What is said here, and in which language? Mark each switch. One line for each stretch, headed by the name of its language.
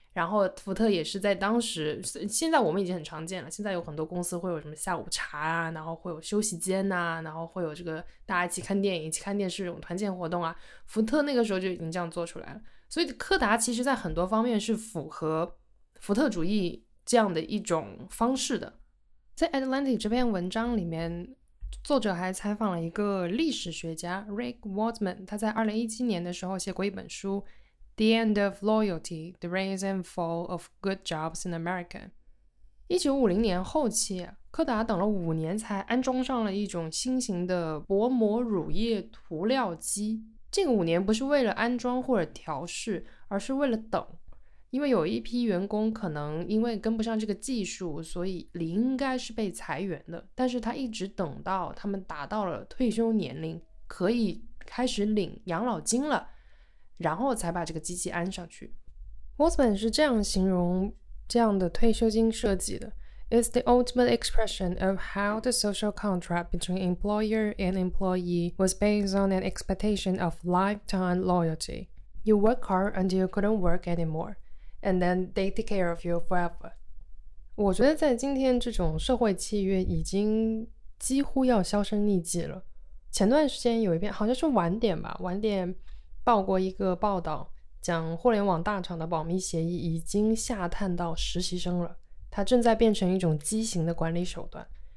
Chinese: 然后福特也是在当时，现在我们已经很常见了，现在有很多公司会有什么下午茶啊，然后会有休息间啊，然后会有这个大家一起看电影、一起看电视这种团建活动啊，福特那个时候就已经这样做出来了。所以柯达其实在很多方面是符合福特主义这样的一种方式的。在 Atlantic 这篇文章里面，作者还采访了一个历史学家 Rick Waldman， 他在2017年的时候写过一本书 The End of Loyalty, The Rise and Fall of Good Jobs in America。 1950年后期，柯达等了五年才安装上了一种新型的薄膜乳液涂料机。这个五年不是为了安装或者调试，而是为了等，因为有一批员工可能因为跟不上这个技术，所以理应该是被裁员的，但是他一直等到他们达到了退休年龄，可以开始领养老金了，然后才把这个机器安上去。
English: Waldman
Chinese: 是这样形容这样的退休金设计的，
English: It's the ultimate expression of how the social contract between employer and employee was based on an expectation of lifetime loyalty. You work hard until you couldn't work anymore. And then they take care of you forever.
Chinese: 我觉得在今天这种社会契约已经几乎要销声匿迹了。前段时间有一篇，好像是晚点吧，晚点报过一个报道，讲互联网大厂的保密协议已经下探到实习生了，它正在变成一种畸形的管理手段。